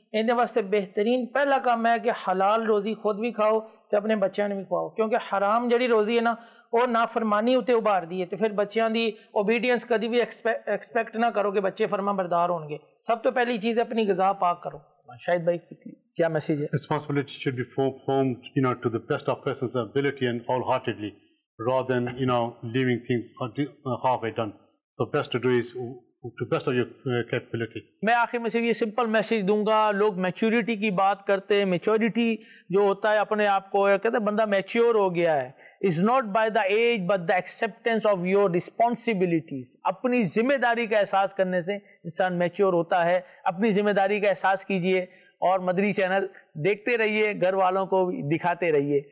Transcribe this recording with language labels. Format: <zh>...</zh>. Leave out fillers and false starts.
<pa>ਇਹਦੇ ਵਾਸਤੇ ਬਿਹਤਰੀਨ ਪਹਿਲਾ ਕੰਮ ਹੈ ਕਿ ਹਲਾਲ ਰੋਜ਼ੀ ਖੁਦ ਵੀ ਖਾਓ ਅਤੇ ਆਪਣੇ ਬੱਚਿਆਂ ਨੂੰ ਵੀ ਖਵਾਓ, ਕਿਉਂਕਿ ਹਰਾਮ ਜਿਹੜੀ ਰੋਜ਼ੀ ਹੈ ਨਾ, ਉਹ ਨਾ ਫਰਮਾਨੀ ਉੱਤੇ ਉਭਾਰਦੀ ਹੈ, ਅਤੇ ਫਿਰ ਬੱਚਿਆਂ ਦੀ ਓਬੀਡੀਅੰਸ ਕਦੀ ਵੀ ਐਕਸਪੈਕਟ ਨਾ ਕਰੋ ਕਿ ਬੱਚੇ ਫਰਮਾ ਬਰਦਾਰ ਹੋਣਗੇ। ਸਭ ਤੋਂ ਪਹਿਲੀ ਚੀਜ਼ ਆਪਣੀ ਗਜ਼ਾ ਪਾਕ ਕਰੋ।</pa> <hi>ਸ਼ਾਹਿਦ ਬਾਈ, क्या मैसेज है?</hi> <en>Responsibility should be formed, you know, to the best of person's ability and wholeheartedly, rather than, you know, leaving things halfway done. So best to do is to best of your capability.</en> <hi>मैं आखिर में सिर्फ ये simple message दूंगा. लोग maturity की बात करते हैं. मैच्योरिटी जो होता है अपने आप को कहते हैं बंदा मैच्योर हो गया है.</hi> <en>Is not by the age but the acceptance of your responsibilities.</en> <hi>अपनी जिम्मेदारी का एहसास करने से इंसान मैच्योर होता है. अपनी जिम्मेदारी का एहसास कीजिए और मदनी चैनल देखते रहिए, घर वालों को दिखाते रहिए.</hi>